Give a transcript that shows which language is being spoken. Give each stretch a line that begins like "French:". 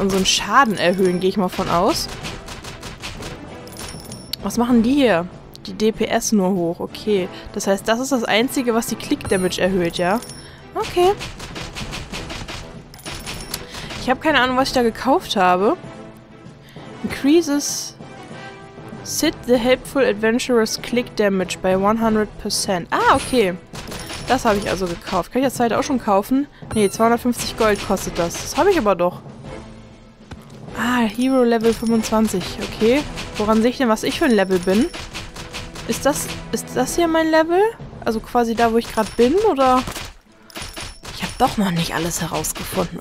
German: Unseren Schaden erhöhen, gehe ich mal von aus. Was machen die hier? Die DPS nur hoch. Okay. Das heißt, das ist das Einzige, was die Click-Damage erhöht, ja? Okay. Ich habe keine Ahnung, was ich da gekauft habe.
English: Increases Sid the Helpful Adventurer's Click Damage by 100%.
German: Ah, okay. Das habe ich also gekauft. Kann ich das halt auch schon kaufen? Nee, 250 Gold kostet das. Das habe ich aber doch. Ah, Hero Level 25. Okay. Woran sehe ich denn, was ich für ein Level bin? Ist das hier mein Level? Also quasi da, wo ich gerade bin, oder? Ich habe doch noch nicht alles herausgefunden.